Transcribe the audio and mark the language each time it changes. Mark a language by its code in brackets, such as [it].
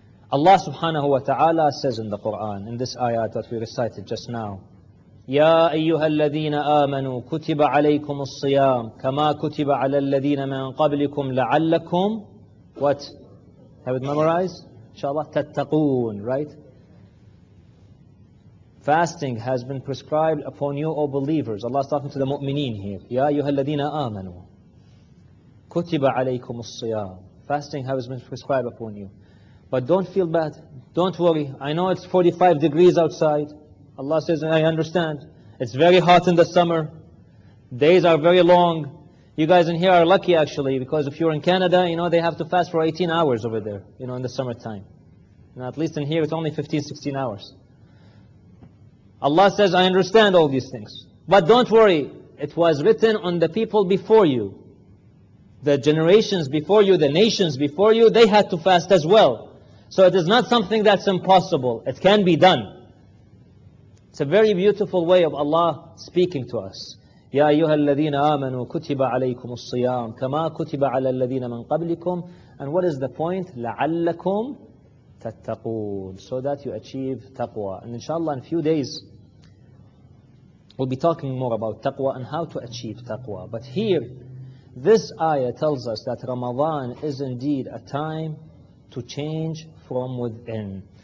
[en] Allah subhanahu wa ta'ala says in the Quran, in this ayat that we recited just now, [ar] يَا أَيُّهَا الَّذِينَ آمَنُوا كُتِبَ عَلَيْكُمُ الصِّيَامُ كَمَا كُتِبَ عَلَى الَّذِينَ مِنْ قَبْلِكُمْ لَعَلَّكُمْ [en] What? Have it memorized? InshaAllah, [ar] تَتَّقُونَ, [en] right? Fasting has been prescribed upon you, O believers. Allah is talking to the mu'mineen here. [ar] يَا أَيُّهَا الَّذِينَ آمَنُوا كُتِبَ عَلَيْكُمُ الصِّيَامُ [en] Fasting has been prescribed upon you. But don't feel bad. Don't worry. I know it's 45 degrees outside. Allah says, I understand. It's very hot in the summer. Days are very long. You guys in here are lucky actually, because if you're in Canada, you know, they have to fast for 18 hours over there, you know, in the summertime. And at least in here, it's only 15, 16 hours. Allah says, I understand all these things. But don't worry. It was written on the people before you. The generations before you, the nations before you, they had to fast as well. So it is not something that's impossible. It can be done. It's a very beautiful way of Allah speaking to us. [ar] يَا أَيُّهَا الَّذِينَ آمَنُوا كُتِبَ عَلَيْكُمُ الصِّيَامُ كَمَا كُتِبَ عَلَى الَّذِينَ مِنْ قَبْلِكُمْ [en] And what is the point? [ar] لَعَلَّكُمْ تَتَّقُونَ [en] So that you achieve taqwa. And inshallah in a few days, we'll be talking more about taqwa and how to achieve taqwa. But here, this ayah tells us that Ramadan is indeed a time to change from within.